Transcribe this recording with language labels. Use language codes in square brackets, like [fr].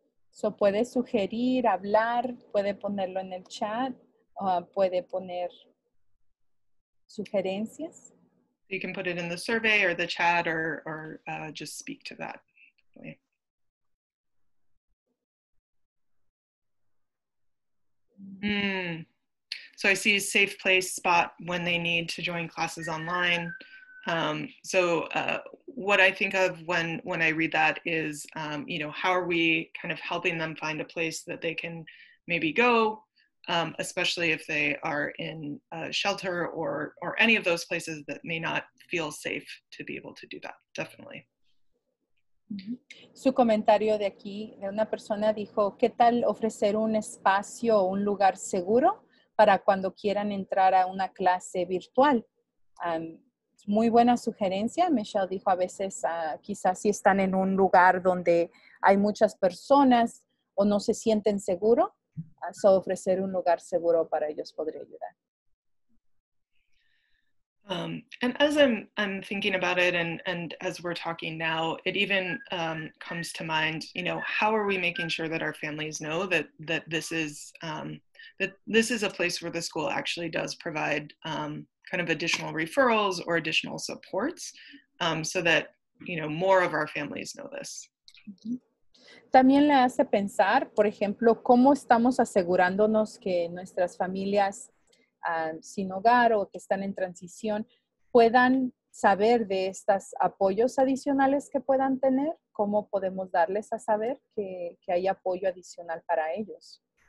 [es] So, puede sugerir, hablar, puede ponerlo en el chat, puede poner sugerencias. [en] You can put it in the survey or the chat or just speak to that. Okay. So I see a safe place spot when they need to join classes online. What I think of when I read that is, how are we kind of helping them find a place that they can maybe go, especially if they are in a shelter or any of those places that may not feel safe to be able to do that, definitely. [es] Su comentario de aquí, de una persona dijo, ¿qué tal ofrecer un espacio o un lugar seguro para cuando quieran entrar a una clase virtual? Muy buena sugerencia. Michelle dijo, a veces quizás si están en un lugar donde hay muchas personas o no se sienten seguro, so ofrecer un lugar seguro para ellos podría ayudar. [en] And as I'm thinking about it and as we're talking now, it even comes to mind, how are we making sure that our families know that this is a place where the school actually does provide kind of additional referrals or additional supports so that, more of our families know this. [es] También le hace pensar, por ejemplo, cómo estamos asegurándonos que nuestras familias sin hogar o que están en transición puedan saber de estos apoyos adicionales que puedan tener, cómo podemos darles a saber que hay apoyo adicional para ellos.